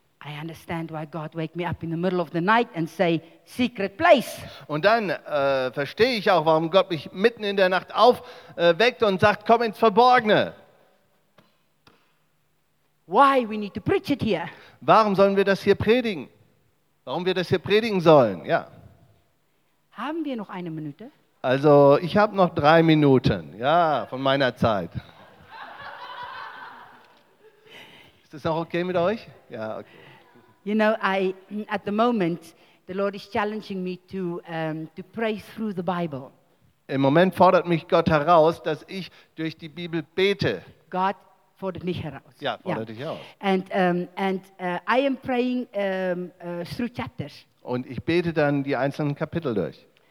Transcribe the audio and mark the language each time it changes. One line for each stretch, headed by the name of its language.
English: I understand why God wake me up in the middle of the night and say secret place.
German: Und dann verstehe ich auch, warum Gott mich mitten in der Nacht aufweckt und sagt, komm ins Verborgene.
English: Why we need to preach it here?
German: Warum sollen wir das hier predigen? Warum wir das hier predigen sollen? Ja. Haben wir noch eine Minute? Also, ich habe noch 3 Minuten, ja, von meiner Zeit. Ist das noch okay mit euch? Ja, okay.
English: You know, I at the moment the Lord is challenging me to pray through the Bible.
German: Im Moment fordert mich Gott heraus, dass ich durch die Bibel bete. God fordert mich heraus. Ja, fordert dich heraus.
English: And I am praying through chapters.
German: Und ich bete dann die einzelnen Kapitel durch.